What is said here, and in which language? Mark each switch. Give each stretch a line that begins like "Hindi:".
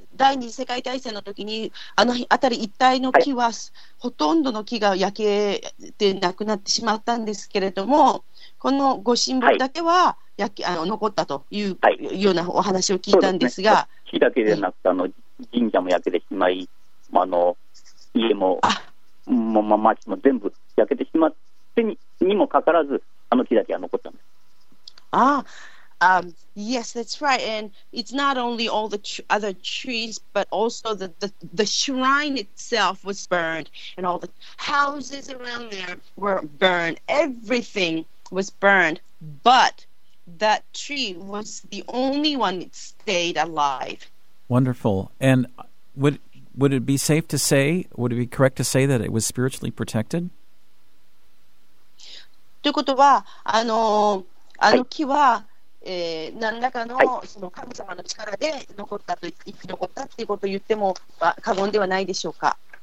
Japanese: 第二次世界大戦の時にあの辺り一帯の木は、はい、ほとんどの木が焼けてなくなってしまったんですけれどもこの御神木だけは焼け、はい、残ったという、はい、ようなお話を聞いたんですが、そうですね、木だけでなくて神社も焼けてしまい、まあ、家も町も全部焼けてしまってにもかかわらずあの木だけは残ったんです。
English: ああyes, that's right, and it's not only all the other trees, but also the shrine itself was burned, and all the houses around there were burned. Everything was burned, but that tree was the only one that stayed alive. Wonderful. And would it be safe to say, would it be correct to say that it was spiritually protected?
Japanese: ということは、あの木は何らか その神様の力で残ったと、生き残ったということを言っても過言ではないでしょうか。